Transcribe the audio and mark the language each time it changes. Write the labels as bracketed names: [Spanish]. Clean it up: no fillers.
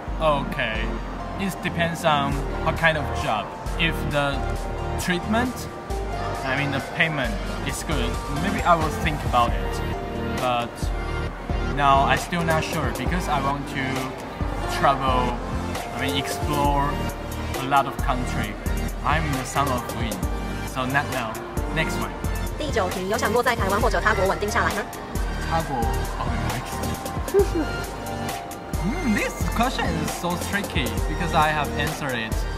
[English] Okay, it depends on what kind of job. If the treatment I mean, the payment is good. Maybe I will think about it. But now I'm still not sure because I want to travel, I mean, explore a lot of country. I'm the son of Win. So not now, next one. [Chinese] 第九题，有想过在台湾或者他国稳定下来吗？ [English] 他国 ，Oh my God. This question is so tricky because I have answered it.